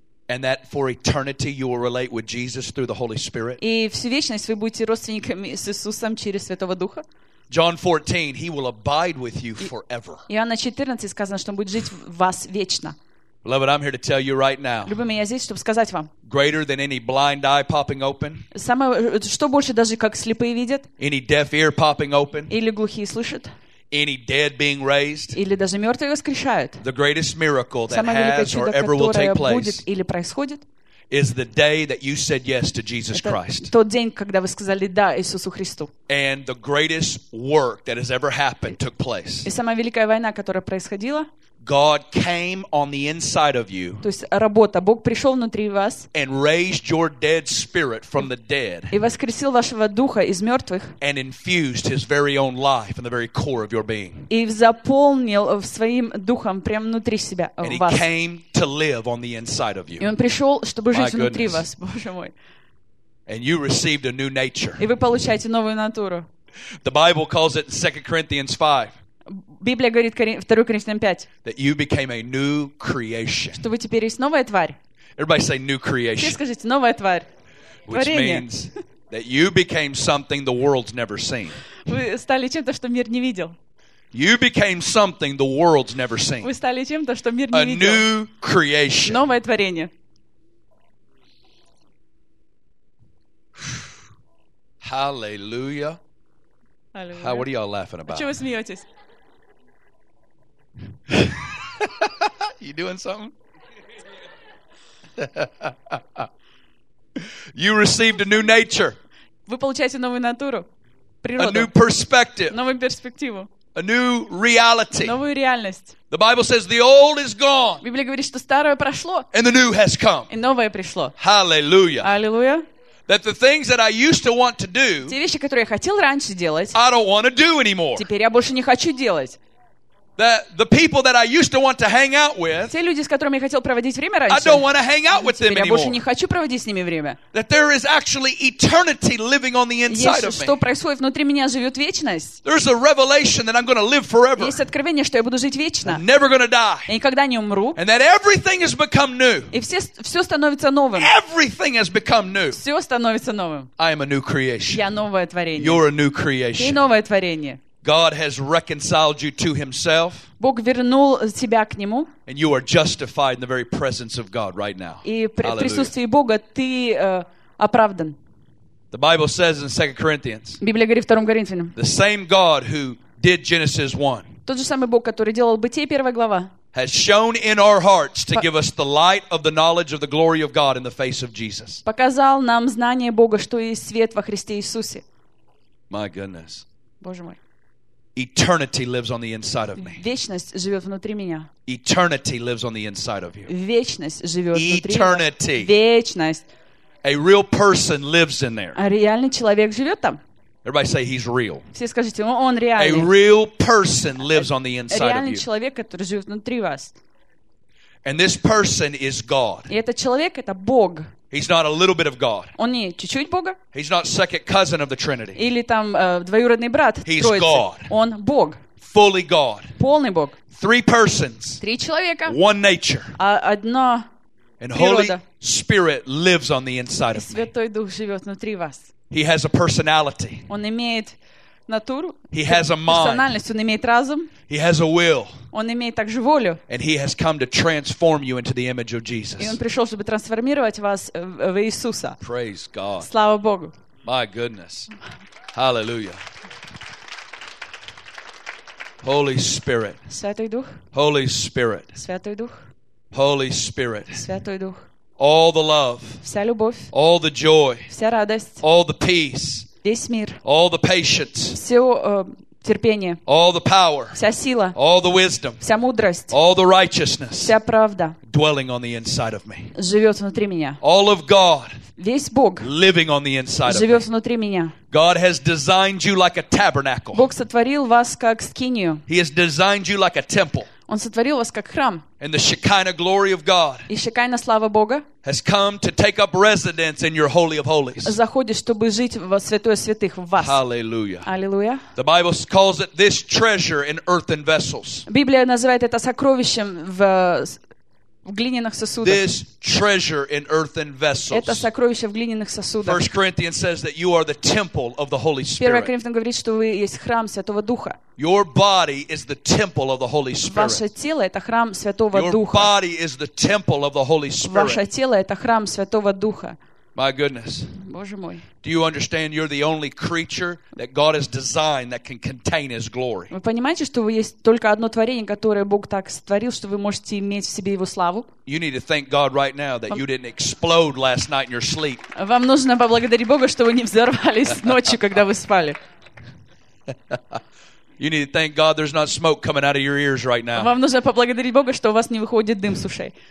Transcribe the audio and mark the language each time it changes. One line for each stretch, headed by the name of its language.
English: And that for eternity you will relate with Jesus through the Holy Spirit?
Russian: И всю вечность вы будете родственниками с Иисусом через Святого Духа?
English: John 14, he will abide with you forever.
Russian: Иоанна 14 сказано, что он будет жить в вас вечно.
English: Beloved, I'm here to tell you right now.
Russian: Любимый, я здесь, чтобы сказать вам.
English: Greater than any blind eye popping open.
Russian: Самое, что больше даже как слепые видят.
English: Any deaf ear popping open.
Russian: Или глухие слышат.
English: Any dead being raised.
Russian: Или даже мертвые воскрешают.
English: The greatest miracle that has or ever will take place.
Russian: Будет или происходит.
English: Is the day that you said yes to Jesus Christ.
Russian: Это тот день, когда вы сказали да Иисусу Христу.
English: And the greatest work that has ever happened took place.
Russian: И самая великая война, которая происходила.
English: God came on the inside of you.
Russian: То есть работа. Бог пришел внутри вас.
English: And raised your dead spirit from the dead.
Russian: И воскресил вашего духа из мертвых.
English: And infused His very own life in the very core of your being.
Russian: И заполнил своим духом прямо внутри себя вас.
English: And He came to live on the inside of you.
Russian: И он пришел, чтобы жить внутри вас, Боже мой.
English: And you received a new nature.
Russian: И вы получаете новую натуру.
English: The Bible calls it 2 Corinthians 5.
Russian: Библия говорит 2 Коринфянам 5.
English: That you became a new creation.
Russian: Что вы теперь есть новая тварь.
English: Everybody say new creation.
Russian: Все скажите новая тварь.
English: Which means that you became something the world's never seen.
Russian: Вы стали чем-то, что мир не видел.
English: You became something the world's never seen.
Russian: Вы стали чем-то, что мир не
English: a
Russian: видел.
English: A new creation.
Russian: Новое творение.
English: Hallelujah. Hallelujah. What are y'all laughing about?
Russian: Чего вы смеетесь?
English: You doing something? You received a new nature.
Russian: Вы получаете новую натуру.
English: A new perspective.
Russian: Новую перспективу.
English: A new reality.
Russian: Новую реальность.
English: The Bible says the old is gone.
Russian: Библия говорит, что старое прошло.
English: And the new has come.
Russian: И новое пришло.
English: Hallelujah. Hallelujah. That the things that I used to want to do.
Russian: Те вещи, которые я хотел раньше делать.
English: I don't want to do anymore.
Russian: Теперь я больше не хочу делать.
English: That the people that I used to want to hang out with.
Russian: Те люди, с которыми я хотел проводить время раньше.
English: I don't want to hang out with them anymore.
Russian: Я больше не хочу проводить с ними время.
English: That there is actually eternity living on the inside of me.
Russian: Что происходит внутри меня, живет вечность.
English: There's a revelation that I'm going to live forever.
Russian: Есть откровение, что я буду жить вечно.
English: Never going to die.
Russian: И никогда не умру.
English: And that everything has become new.
Russian: И все становится новым.
English: Everything has become new.
Russian: Все становится новым.
English: I am a new creation.
Russian: Я новое творение.
English: You're a new creation.
Russian: Ты новое творение.
English: God has reconciled you to Himself.
Russian: Бог вернул тебя к Нему.
English: And you are justified in the very presence of God right now.
Russian: И в присутствии Бога ты оправдан.
English: The Bible says in 2 Corinthians.
Russian: Библия говорит в 2 Коринфянам.
English: The same God who did Genesis 1.
Russian: Тот же самый Бог, который делал Бытие, первая глава.
English: Has shown in our hearts to give us the light of the knowledge of the glory of God in the face of Jesus.
Russian: Показал нам знание Бога, что есть свет во Христе Иисусе.
English: My goodness.
Russian: Боже мой.
English: Eternity lives on the inside of me.
Russian: Вечность живет внутри меня.
English: Eternity lives on the inside of you.
Russian: Вечность живет внутри.
English: Eternity.
Russian: Вечность.
English: A real person lives in there.
Russian: А реальный человек живет там.
English: Everybody say he's real.
Russian: Все скажите, он реальный.
English: A real person lives on the inside of you.
Russian: Реальный человек, который живет внутри вас.
English: And this person is God.
Russian: И этот человек это Бог.
English: He's not a little bit of God.
Russian: Он не чуть-чуть Бога.
English: He's not second cousin of the Trinity.
Russian: Или там двоюродный брат Троицы.
English: He's God.
Russian: Он Бог.
English: Fully God.
Russian: Полный Бог.
English: Three persons.
Russian: Три человека.
English: One nature.
Russian: Одна природа.
English: And Holy Spirit lives on the inside of me.
Russian: Святой Дух живет внутри вас.
English: He has a personality.
Russian: Он имеет натуру.
English: He has a mind.
Russian: Персональность. Он имеет разум.
English: He has a will.
Russian: Он имеет также волю.
English: And he has come to transform you into the image of Jesus.
Russian: И он пришел, чтобы трансформировать вас в Иисуса.
English: Praise God.
Russian: Слава Богу.
English: My goodness. Hallelujah. Holy Spirit.
Russian: Святой Дух.
English: Holy Spirit.
Russian: Святой Дух.
English: Holy Spirit.
Russian: Святой Дух.
English: All the love.
Russian: Вся любовь.
English: All the joy.
Russian: Вся радость.
English: All the peace.
Russian: Весь мир.
English: All the patience.
Russian: Все терпение.
English: All the power.
Russian: Вся сила.
English: All the wisdom.
Russian: Вся мудрость.
English: All the righteousness.
Russian: Вся правда.
English: Dwelling on the inside of me.
Russian: Живет внутри меня.
English: All of God.
Russian: Весь Бог.
English: Living on the inside of me.
Russian: Живет внутри меня.
English: God has designed you like a tabernacle.
Russian: Бог сотворил вас как скинию.
English: He has designed you like a temple.
Russian: Он сотворил вас как храм.
English: And the Shekinah glory of God.
Russian: И Шекайна слава Бога.
English: Has come to take up residence in your holy of holies.
Russian: Заходит, чтобы жить во святое святых в вас.
English: Hallelujah.
Russian: Hallelujah.
English: The Bible calls it this treasure in earthen vessels.
Russian: Библия называет это сокровищем в глиняных сосудах.
English: This treasure in earthen vessels.
Russian: Это сокровище в глиняных сосудах.
English: 1 Corinthians says that you are the temple of the Holy Spirit.
Russian: 1 Коринфянам говорит, что вы есть храм Святого Духа.
English: Your body is the temple of the Holy Spirit.
Russian: Ваше тело это храм Святого
English: Your
Russian: Духа.
English: Your body is the temple of the Holy Spirit.
Russian: Ваше тело это храм Святого Духа.
English: My goodness.
Russian: Боже мой.
English: Do you understand you're the only creature that God has designed that can contain his glory?
Russian: Вы понимаете, что вы есть только одно творение, которое Бог так сотворил, что вы можете иметь в себе его славу?
English: You need to thank God right now that you didn't explode last night in your sleep.
Russian: Вам нужно поблагодарить Бога, что вы не взорвались ночью, когда вы спали.
English: You need to thank God there's not смоке coming out of your ears right now.
Russian: Вам нужно поблагодарить Бога, что у вас не выходит дым с ушей.